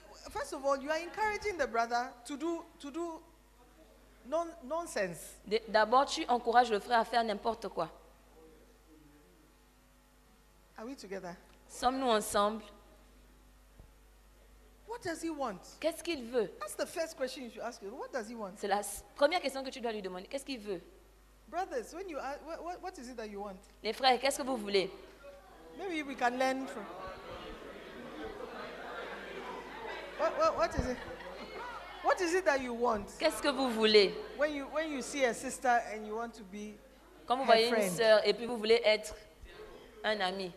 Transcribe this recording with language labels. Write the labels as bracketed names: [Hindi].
[English] First of all, you are encouraging the brother to do nonsense. [French] D'abord, tu encourages le frère à faire n'importe quoi. [English] Are we together? [French] Sommes-nous ensemble? [English] What does he want? [French] Qu'est-ce qu'il veut? [English] That's the first question you should ask him. What does he want? [French] C'est la première question que tu dois lui demander. Qu'est-ce qu'il veut? [English] Brothers, when you ask, what is it that you want? [French] Les frères, qu'est-ce que vous voulez? [English] Maybe we can learn from. What is it? What is it that you want? [French] Qu'est-ce que vous voulez? [English] When you see a sister and you want to be [French] quand vous voyez [English] friend. [French] Une sœur et puis vous voulez être un ami.